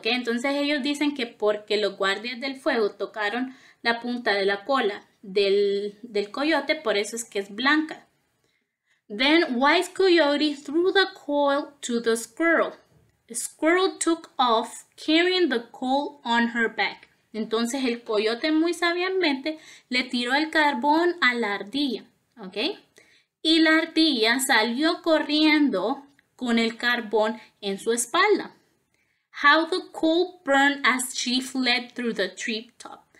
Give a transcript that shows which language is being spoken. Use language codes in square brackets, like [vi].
[es] Okay, entonces ellos dicen que porque los guardias del fuego tocaron la punta de la cola del coyote, por eso es que es blanca. [en] Then wise coyote threw the coal to the squirrel. The squirrel took off carrying the coal on her back. [es] Entonces el coyote muy sabiamente le tiró el carbón a la ardilla, ¿ok? Y la ardilla salió corriendo con el carbón en su espalda. [en] How the coal burned as she fled through the treetop.